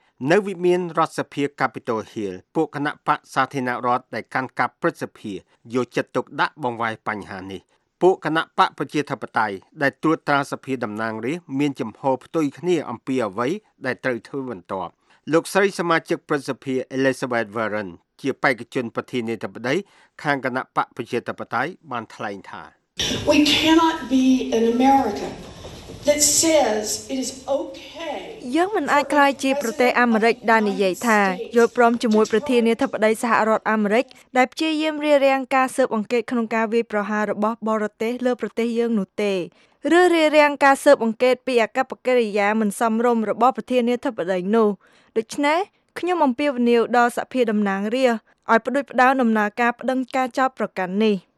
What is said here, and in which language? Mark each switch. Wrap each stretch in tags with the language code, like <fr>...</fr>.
<km>នៅវិមានរដ្ឋសភា Capitol Hill ពួកគណៈបកសាធារណរដ្ឋដែលកាន់ការប្រិទ្ធសភាយកចិត្តទុកដាក់បង្វែរបញ្ហានេះពួកគណៈបកប្រជាធិបតេយ្យដែលត្រួតត្រាសភាតំណាងរាស្ត្រមានចំហផ្ទុយគ្នាអំពីអ្វីដែលត្រូវធ្វើបន្ទាប់លោកស្រីសមាជិកប្រិទ្ធសភា Elizabeth Warren ជាបេក្ខជនប្រធានាធិបតីខាងគណៈបកប្រជាធិបតេយ្យបានថ្លែងថា</km> <en>We cannot be an American that says it is okay</en> <km>យើងមិនអាចក្លាយជាប្រទេសអាមេរិកដែលនិយាយថាយល់ព្រមជាមួយប្រធានាធិបតីសហរដ្ឋអាមេរិកដែលព្យាយាមរារាំងការស៊ើបអង្កេតក្នុងការវាយប្រហាររបស់បរទេសលើប្រទេសយើងនោះទេឬរារាំងការស៊ើបអង្កេតពីអកប្បកិរិយាមិនសមរម្យរបស់ប្រធានាធិបតីនោះដូច្នេះខ្ញុំអំពាវនាវដល់សភាតំណាងរាស្ត្រឲ្យផ្ដួចផ្ដើមដំណើរការប្តឹងការចោទប្រកាន់នេះ</km>